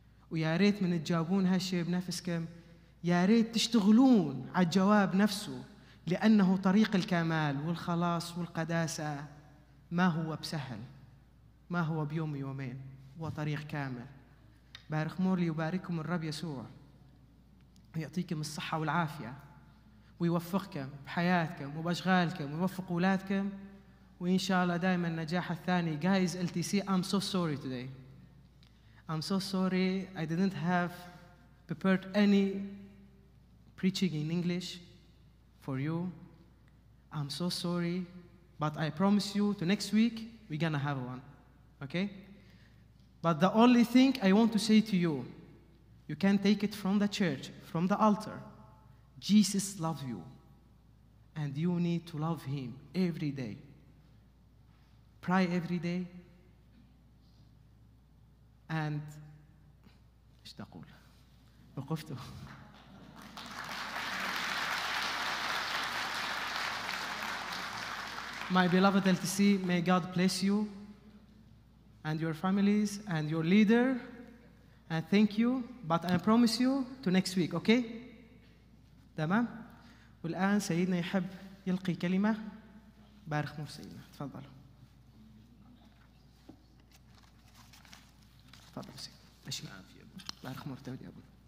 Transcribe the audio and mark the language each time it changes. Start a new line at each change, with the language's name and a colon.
Arabic: وياريت من تجابون هالشيء بنفسكم، ياريت تشتغلون على الجواب نفسه، لأنه طريق الكمال والخلاص والقداسة ما هو بسهل، ما هو بيوم يومين، هو طريق كامل. بارك مورلي وباركم الرب يسوع، يعطيكم الصحة والعافية ويوفقكم بحياتكم وبأشغالكم ويوفق أولادكم، وإن شاء الله دائما النجاح الثاني.
English: Guys, LTC, I'm so sorry today. I'm so sorry I didn't have prepared any preaching in English for you. I'm so sorry, but I promise you to next week we're gonna have one, okay? But the only thing I want to say to you, you can take it from the church, from the altar. Jesus loves you, and you need to love him every day. Pray every day, and
Arabic: ايش تقول؟ وقفتوا.
English: My beloved LTC, may God bless you and your families and your leader, and thank you. But I promise you to next week, okay?
Arabic: تمام؟ والآن سيدنا يحب يلقي كلمة. بارك نور سيدنا، تفضل. تفضل سيدنا. ماشي. بارخ مرتبه يا ابوي.